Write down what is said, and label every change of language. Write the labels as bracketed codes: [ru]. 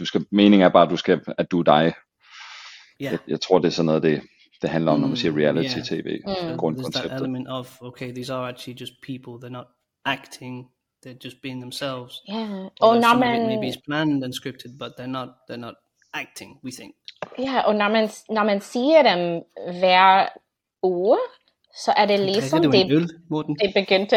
[da] Meningen er bare, at du er dig. [en] Yeah. [da] Jeg tror, det er sådan noget, det handler om, når man siger reality TV. [en] There's that element of, okay, these are actually just people, they're not acting, they're just being themselves. Yeah. Or some of it maybe is planned and scripted, but they're not acting, we think. [da] Ja, og når man ser dem hver uge, så er det ligesom, det begyndte...